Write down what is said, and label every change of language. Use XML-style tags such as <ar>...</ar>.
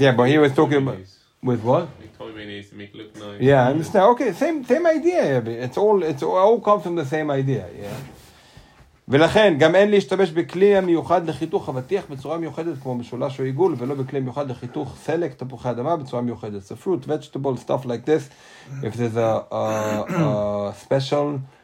<en>yeah, but he was talking about... With what? Tommy mayonnaise to make it look nice. Yeah, I understand. Okay, same idea. It's all comes from the same idea, yeah.</en> <he>ולכן, גם אין להשתמש בכלי המיוחד לחיתוך אבטיח בצורה מיוחדת כמו משולש או עיגול, ולא בכלי מיוחד לחיתוך סלק, תפוחי אדמה בצורה מיוחדת.</he> <en>So fruit, vegetable, stuff like this, if there's a special</en>